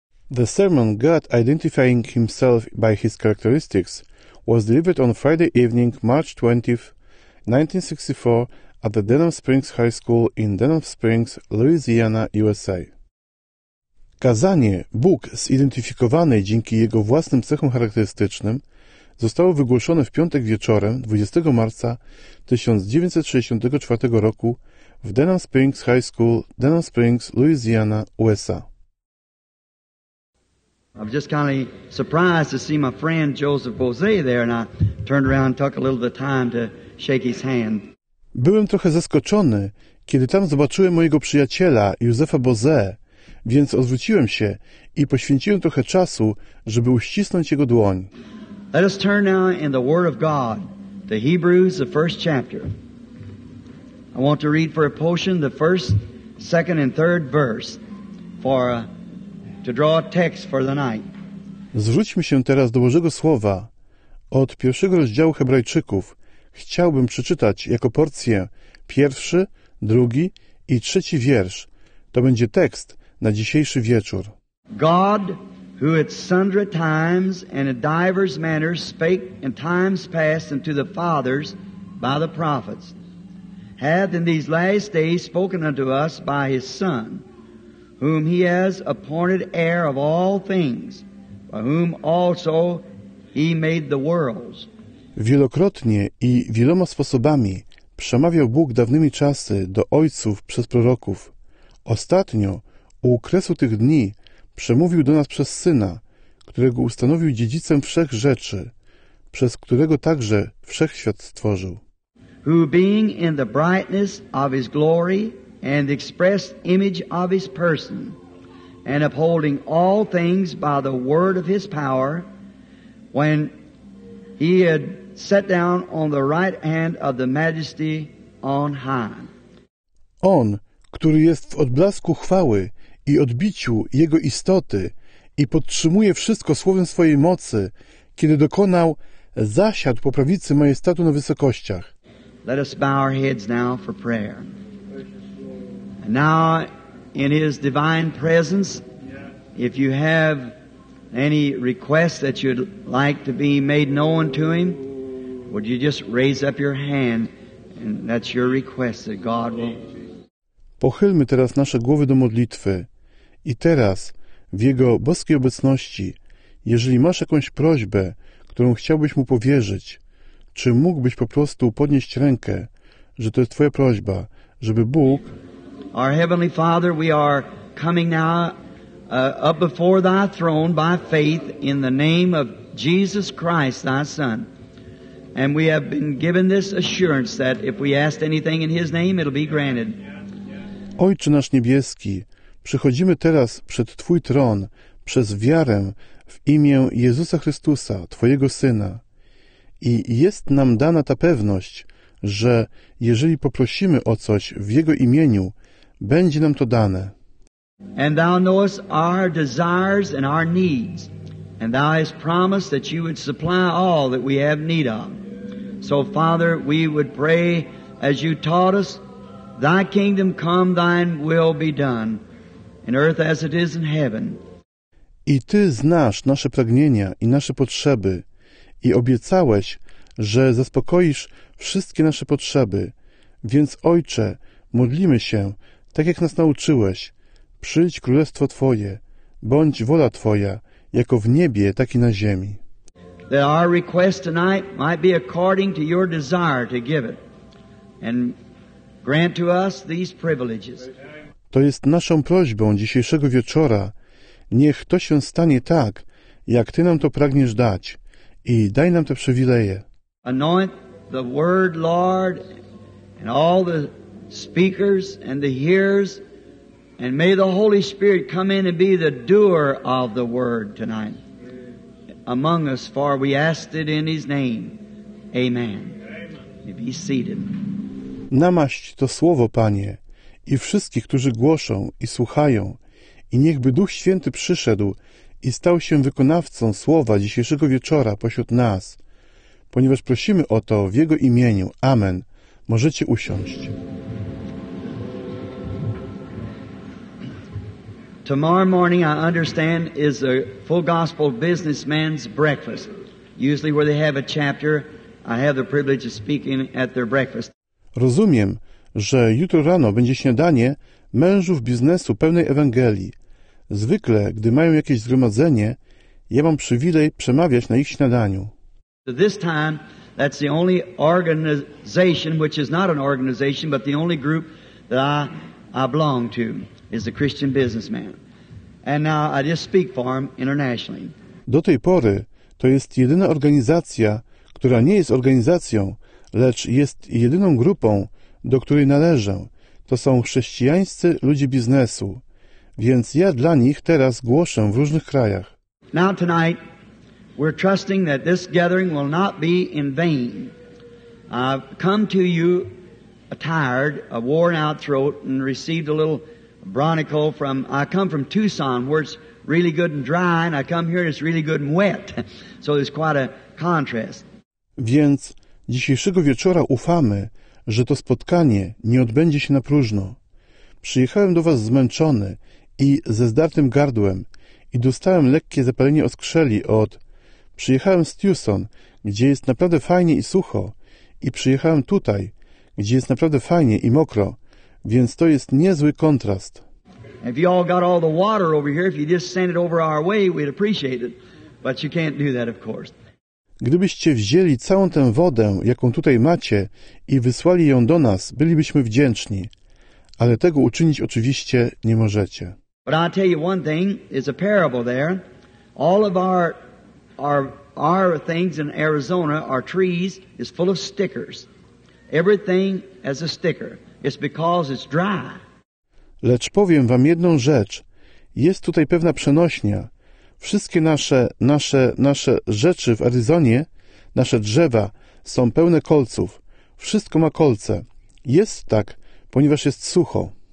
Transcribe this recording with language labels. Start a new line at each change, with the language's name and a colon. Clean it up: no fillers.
English: The sermon, God Identifying Himself by His Characteristics, was delivered on Friday evening, March 20, 1964, at the Denham Springs High School in Denham Springs, Louisiana, USA.
Polish: Kazanie Bóg zidentyfikowany dzięki Jego własnym cechom charakterystycznym zostało wygłoszone w piątek wieczorem 20 marca 1964 roku w Denham Springs High School, Denham Springs, Louisiana, USA.
English: I was just kind of surprised to see my friend Joseph Bozé there, and I turned around and took a little bit of time to shake his hand.
Polish: Byłem trochę zaskoczony, kiedy tam zobaczyłem mojego przyjaciela, Józefa Bozé, więc odwróciłem się i poświęciłem trochę czasu, żeby uścisnąć jego dłoń.
English: Let us turn now in the Word of God, the Hebrews, the first chapter. I want to read for a portion the first, second and third verse for a to draw a text for the night.
Polish: Zwróćmy się teraz do Bożego Słowa. Od pierwszego rozdziału Hebrajczyków chciałbym przeczytać jako porcję pierwszy, drugi i trzeci wiersz. To będzie tekst na dzisiejszy wieczór.
English: God, who at sundry times and in divers manners spake in times past unto the fathers by the prophets, hath in these last days spoken unto us by his Son, whom he has appointed heir of all things, by whom also he made the worlds.
Polish: Wielokrotnie i wieloma sposobami przemawiał Bóg dawnymi czasy do ojców przez proroków. Ostatnio, u kresu tych dni, przemówił do nas przez Syna, którego ustanowił dziedzicem wszech rzeczy, przez którego także wszechświat stworzył.
English: Who being in the brightness of his glory and the express image of his person, and upholding all things by the word of his power, when he had sat down on the right hand of the majesty on high.
Polish: On, który jest w odblasku chwały i odbiciu jego istoty i podtrzymuje wszystko słowem swojej mocy, kiedy dokonał, zasiadł po prawicy majestatu na wysokościach.
English: Let us bow our heads now for prayer. Now, in His divine presence, if you have any requests that you'd like to be made known to Him, would you just raise up your hand, and that's your request that God will.
Polish: Pochylmy teraz nasze głowy do modlitwy i teraz, w Jego boskiej obecności, jeżeli masz jakąś prośbę, którą chciałbyś Mu powierzyć, czy mógłbyś po prostu podnieść rękę, że to jest Twoja prośba, żeby Bóg.
English: Our Heavenly Father, we are coming now up before Thy throne by faith in the name of Jesus Christ, Thy Son. And we have been given this assurance that if we ask anything in His name, it'll be granted.
Polish: Ojcze nasz niebieski, przychodzimy teraz przed Twój tron przez wiarę w imię Jezusa Chrystusa, Twojego Syna. I jest nam dana ta pewność, że jeżeli poprosimy o coś w Jego imieniu, będzie nam to dane.
English: And Thou knowest our desires and our needs, and Thou hast promised that You would supply all that we have need of. So, Father, we would pray as You taught us, Thy kingdom come, Thine will be done, in earth as it is in heaven.
Polish: I Ty znasz nasze pragnienia i nasze potrzeby i obiecałeś, że zaspokoisz wszystkie nasze potrzeby. Więc, Ojcze, modlimy się, tak jak nas nauczyłeś, przyjdź królestwo Twoje, bądź wola Twoja, jako w niebie, tak i na ziemi.
English: That our request tonight might be according to Your desire to give it and grant to us these privileges.
Polish: To jest naszą prośbą dzisiejszego wieczora. Niech to się stanie tak, jak Ty nam to pragniesz dać i daj nam te przywileje.
English: Anoint the word, Lord, and all the speakers and the hearers, and may the Holy Spirit come in and be the doer of the word tonight among us, for we ask it in His name. Amen. You be seated.
Polish: Namaść to słowo, Panie, i wszystkich, którzy głoszą i słuchają, i niechby Duch Święty przyszedł i stał się wykonawcą słowa dzisiejszego wieczora pośród nas, ponieważ prosimy o to w Jego imieniu. Amen. Możecie usiąść.
English: tomorrow morning, I understand, is a full gospel businessman's breakfast. Usually where they have a chapter, I have the privilege of speaking at their breakfast.
Polish: Rozumiem, że jutro rano będzie śniadanie mężów biznesu pełnej Ewangelii. Zwykle, gdy mają jakieś zgromadzenie, ja mam przywilej przemawiać na ich śniadaniu.
English: This time, that's the only organization, which is not an organization, but the only group that I belong to, is the Christian businessman. And now I just speak for him internationally.
Polish: Do tej pory to jest jedyna organizacja, która nie jest organizacją, lecz jest jedyną grupą, do której należę. To są chrześcijańscy ludzie biznesu. Więc ja dla nich teraz głoszę w różnych krajach.
English: Now tonight, we're trusting that this gathering will not be in vain. I've come to you a tired, a worn out throat, and received a little bronchial from, I come from Tucson, where it's really good and dry, and I come here and it's really good and wet. So there's quite a contrast.
Polish: Więc dzisiejszego wieczora ufamy, że to spotkanie nie odbędzie się na próżno. Przyjechałem do was zmęczony i ze zdartym gardłem i dostałem lekkie zapalenie oskrzeli od... Przyjechałem z Tucson, gdzie jest naprawdę fajnie i sucho, i przyjechałem tutaj, gdzie jest naprawdę fajnie i mokro, więc to jest niezły kontrast.
English: If you all got all the water over here, if you just send it over our way, we'd appreciate it, but you can't do that, of course.
Polish: Gdybyście wzięli całą tę wodę, jaką tutaj macie, i wysłali ją do nas, bylibyśmy wdzięczni, ale tego uczynić oczywiście nie możecie.
English: But I'll tell you one thing, it's a parable there. All of our things in Arizona, our trees, is full of stickers. Everything has a sticker. It's because it's dry.
Polish: Lecz powiem wam jedną rzecz. Jest tutaj pewna przenośnia. Wszystkie nasze rzeczy w Arizonie, nasze drzewa, są pełne kolców. Wszystko ma kolce. Jest tak, ponieważ jest sucho.